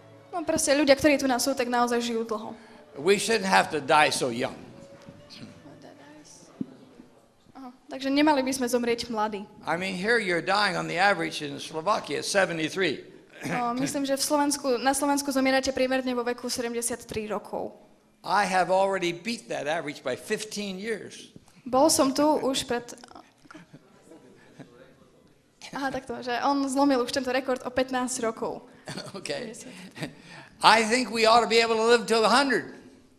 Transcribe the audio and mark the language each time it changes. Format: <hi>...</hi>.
<sk>No proste ľudia, ktorí tu nás sú, tak naozaj žijú dlho.</sk> <en>We shouldn't have to die so young.</en> <sk>Takže nemali by sme zomrieť mladí.</sk> <en>I mean, here you're dying on the average in Slovakia 73.</en> <sk>Myslím, že na Slovensku zomierate priemerne vo veku 73 rokov.</sk> <en>I have already beat that average by 15 years.</en> <sk>Bol som tu už pred... Aha, takto, že on zlomil už tento rekord o 15 rokov.</sk> <en>Okay. I think we ought to be able to live to 100.</en>